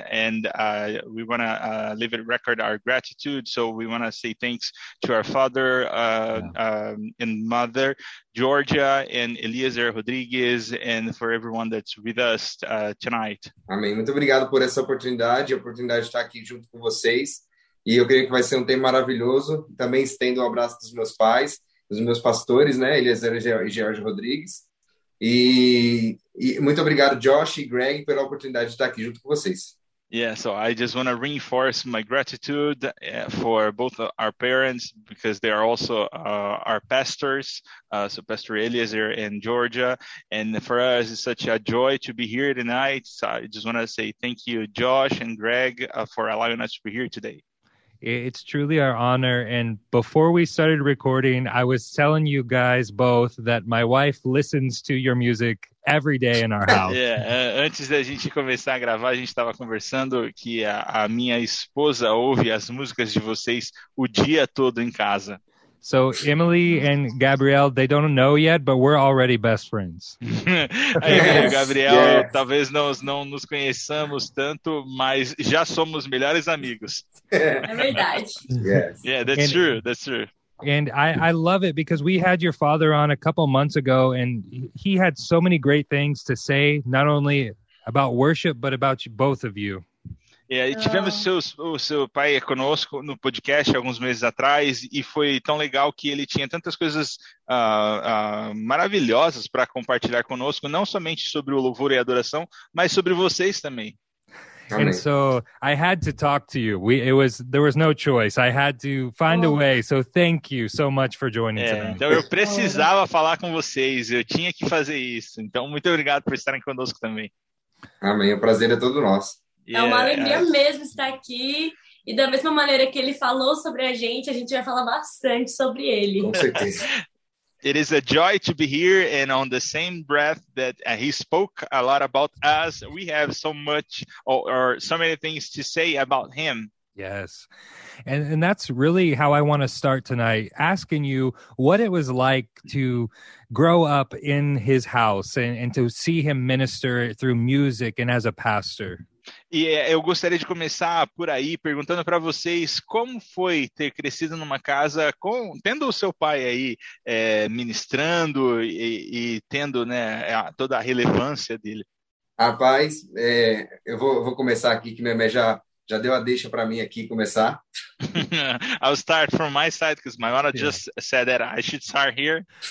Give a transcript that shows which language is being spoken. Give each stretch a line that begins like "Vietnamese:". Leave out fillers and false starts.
English: And we want to leave it record our gratitude. So we want to say thanks to our father and mother, Georgia and Eliezer Rodriguez, and for everyone that's with us tonight.
Portuguese: Amém. Muito obrigado por essa oportunidade, a oportunidade de estar aqui junto com vocês. E eu creio que vai ser um tempo maravilhoso. Também estendo o abraço dos meus pais, dos meus pastores, né, Eliezer e Jorge Rodrigues. E muito obrigado, Josh e Greg, pela oportunidade de estar aqui junto com vocês.
English: Yeah, so I just want to reinforce my gratitude for both our parents, because they are also our pastors, so Pastor Eliezer and Georgia. And for us, it's such a joy to be here tonight. So I just want to say thank you, Josh and Greg, for allowing us to be here today. It's truly our honor. And before we started recording, I was telling you guys both that my wife listens to your music every day in our house.
Portuguese: Yeah, antes da gente começar a gravar, a gente estava conversando que a minha esposa ouve as músicas de vocês o dia todo em casa.
English: So Emily and Gabriel, they don't know yet, but we're already best friends. Emily, Gabriel, yes.
Portuguese: Talvez nós não nos conheçamos tanto, mas já somos melhores amigos. É verdade.
English: Yes. Yeah, that's true. That's true. And I love it because we had your father on a couple months ago, and he had so many great things to say, not only about worship, but about both of you.
Portuguese: Yeah, e tivemos o seu pai conosco no podcast alguns meses atrás, e foi tão legal que ele tinha tantas coisas maravilhosas para compartilhar conosco, não somente sobre o louvor e adoração, mas sobre vocês também.
English: And so I had to talk to you. There was no choice. I had to find a way. So thank you so much for joining tonight.
Portuguese: Então eu precisava falar com vocês. Eu tinha que fazer isso. Então muito obrigado por estarem conosco também. Amém. O prazer é todo nosso. É uma alegria mesmo estar aqui. E da mesma maneira que ele falou sobre a gente vai falar bastante sobre ele. Com certeza.
English: It is a joy to be here, and on the same breath that he spoke a lot about us, we have so much or so many things to say about him. Yes. And that's really how I want to start tonight, asking you what it was like to grow up in his house and to see him minister through music and as a pastor.
Portuguese: E eu gostaria de começar por aí, perguntando para vocês como foi ter crescido numa casa tendo o seu pai aí ministrando e tendo, né, toda a relevância dele. Rapaz, eu vou começar aqui, que minha mãe já deu a deixa para mim aqui começar.
English: I'll start from my side, because my mother just said that I should start here.